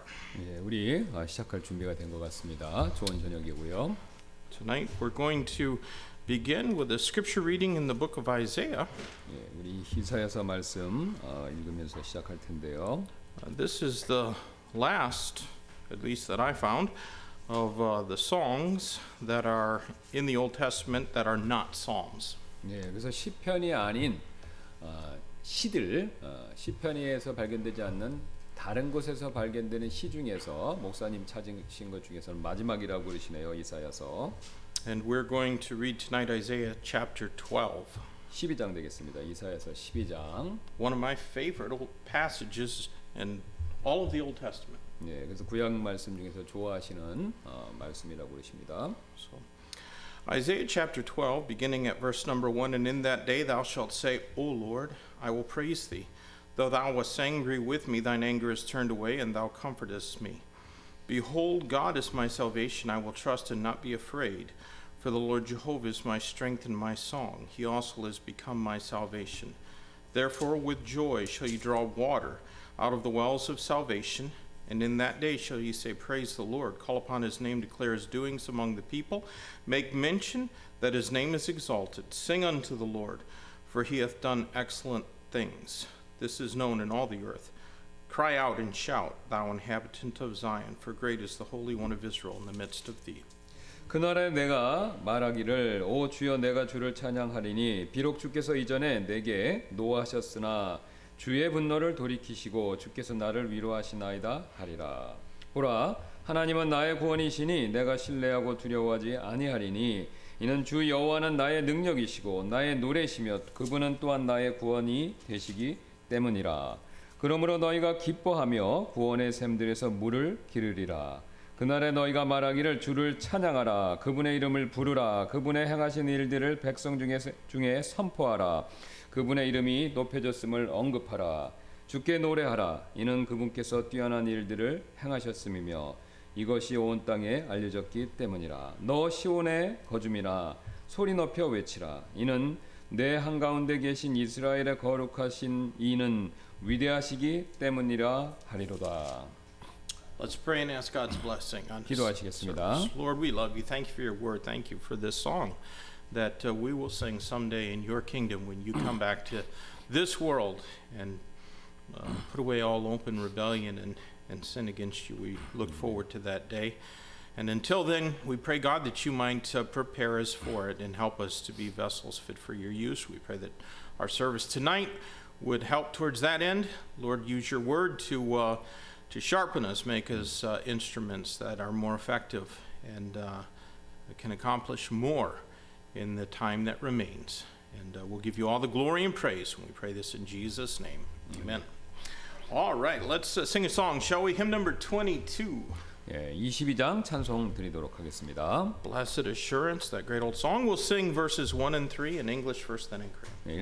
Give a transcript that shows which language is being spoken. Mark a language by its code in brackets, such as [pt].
[ko] 예, 우리 시작할 준비가 된 것 같습니다. 좋은 저녁이고요. [en] Tonight we're going to begin with a scripture reading in the book of Isaiah. [ko] 예, 우리 이사야서 말씀 읽으면서 시작할 텐데요. [en] This is the last, at least that I found, of the songs that are in the Old Testament that are not psalms. [ko] 예, 그래서 시편이 아닌 시들 시편에서 발견되지 않는 다른 곳에서 발견되는 시 중에서 목사님 찾으신 것 중에서는 마지막이라고 그러시네요 이사야서. [en] And we're going to read tonight Isaiah chapter 12. [ko] 12장 되겠습니다 이사야서 12장. [en] One of my favorite old passages in all of the Old Testament. [ko] 네, 그래서 구약 말씀 중에서 좋아하시는 말씀이라고 그러십니다. [en] So, Isaiah chapter 12, beginning at verse number 1, and in that day thou shalt say, O Lord, I will praise thee. Though thou wast angry with me, thine anger is turned away, and thou comfortest me. Behold, God is my salvation, I will trust and not be afraid. For the Lord Jehovah is my strength and my song, he also has become my salvation. Therefore with joy shall ye draw water out of the wells of salvation. And in that day shall ye say, Praise the Lord, call upon his name, declare his doings among the people, make mention that his name is exalted, sing unto the Lord, for he hath done excellent things. This is known in all the earth. Cry out and shout, thou inhabitant of Zion, for great is the Holy One of Israel in the midst of thee. [ko] 그날에 내가 말하기를, 오 주여 내가 주를 찬양하리니, 비록 주께서 이전에 내게 노하셨으나, 주의 분노를 돌이키시고 주께서 나를 위로하시나이다 하리라. 보라, 하나님은 나의 구원이시니 내가 신뢰하고 두려워하지 아니하리니 이는 주 여호와는 나의 능력이시고 나의 노래시며 그분은 또한 나의 구원이 되시기 때문이라. 그러므로 너희가 기뻐하며 구원의 샘들에서 물을 기르리라. 그날에 너희가 말하기를 주를 찬양하라 그분의 이름을 부르라 그분의 행하신 일들을 백성 중에 선포하라. 그분의 이름이 높여졌음을 언급하라. 주께 노래하라. 이는 그분께서 뛰어난 일들을 행하셨음이며 이것이 온 땅에 알려졌기 때문이라. 너 시온의 거주민아 소리 높여 외치라. 이는 내 한가운데 계신 이스라엘의 거룩하신 이는 위대하시기 때문이라 하리로다. [en] Let's pray and ask God's blessing on this. [ko] 기도하시겠습니다. [en] Lord, we love you. Thank you for your word. Thank you for this song. That we will sing someday in your kingdom when you come back to this world and put away all open rebellion and sin against you. We look forward to that day. And until then, we pray, God, that you might prepare us for it and help us to be vessels fit for your use. We pray that our service tonight would help towards that end. Lord, use your word to sharpen us, make us instruments that are more effective and can accomplish more. In the time that remains. And we'll give you all the glory and praise when we pray this in Jesus' name. Amen. Amen. All right, let's sing a song, shall we? Hymn number 22. [ko] 예, 22장 찬송 드리도록 하겠습니다. [en] Blessed Assurance, that great old song. We'll sing verses 1 and 3 in English first, then in Korean.